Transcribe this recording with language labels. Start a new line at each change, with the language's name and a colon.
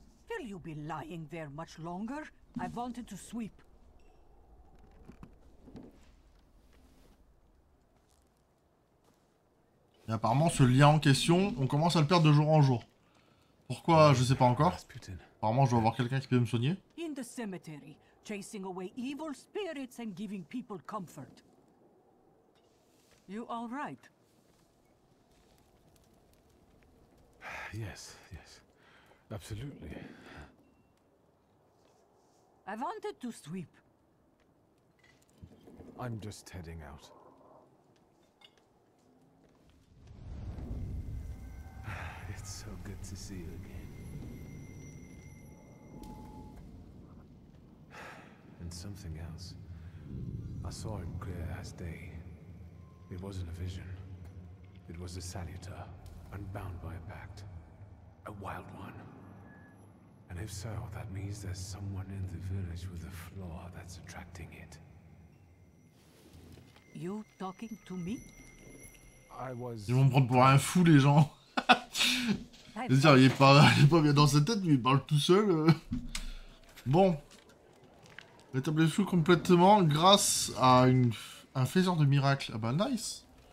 English: Will you be lying there much longer? I wanted to sweep.
French: Et apparemment, ce lien en question, on commence à le perdre de jour en jour. Pourquoi, je sais pas encore. Apparemment, je dois avoir quelqu'un qui peut me soigner.
English: In the cemetery, chasing away evil spirits and giving people comfort. You all right? Yes, yes. Absolutely. I wanted to sweep. I'm just heading out. It's so good to see you again. And something else. I saw it clear as day. It wasn't a vision. It was a Salyutar, unbound by a pact. A wild one. And if so, that means there's someone in the village with a flaw that's attracting it. You talking to me? I was...
French: Ils vont me prendre pour un fou, les gens. C'est-à-dire, il est pas bien dans sa tête, mais il parle tout seul. Bon. Rétablir flou complètement grâce à un faiseur de miracle. Ah bah nice.